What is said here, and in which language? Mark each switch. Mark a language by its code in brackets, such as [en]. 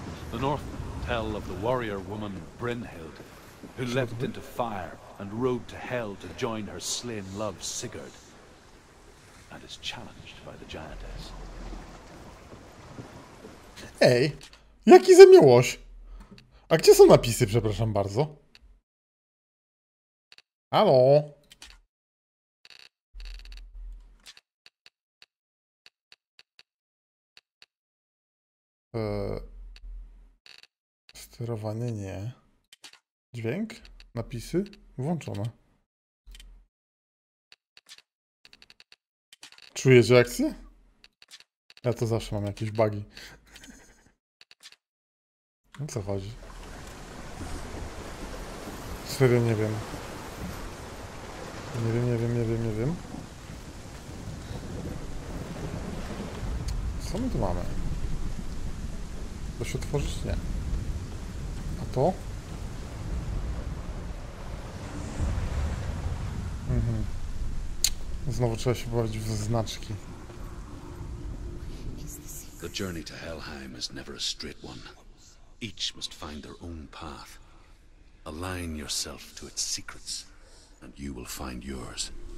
[en] The North tell of the warrior woman Brynhild, who leapt into fire and rode to hell to join her slain love Sigurd, and is challenged by the giantess. [pl] Hey, jaki ze mnie łoś? A gdzie są napisy, przepraszam bardzo? Halo? Sterowanie nie. Dźwięk? Napisy? Włączone. Czujesz reakcję? Ja to zawsze mam jakieś bugi. No co chodzi? Serio, nie wiem. Nie wiem. Co my tu mamy? Coś otworzyć? Nie. A to? Znowu trzeba się bawić w znaczki. [en] The journey to Helheim is never a straight one. Each must find their own path. Align yourself to its secrets, and you will find yours.